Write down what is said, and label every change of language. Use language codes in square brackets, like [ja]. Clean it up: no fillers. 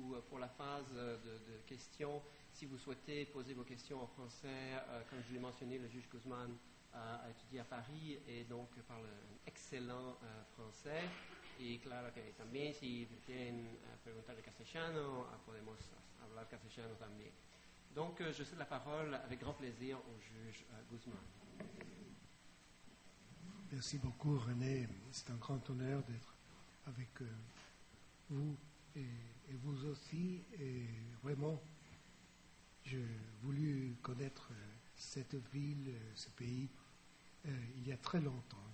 [fr] Pour la phase de questions, si vous souhaitez poser vos questions en français, comme je l'ai mentionné, le juge Guzman a étudié à Paris et donc parle un excellent français. [es] Y claro que también si quieren preguntar el castellano, podemos hablar castellano también. [fr] Donc je cède la parole avec grand plaisir au juge Guzmán. Merci beaucoup René, c'est un grand honneur d'être avec vous et vous aussi. Et vraiment, j'ai voulu connaître cette ville, ce pays, il y a très longtemps.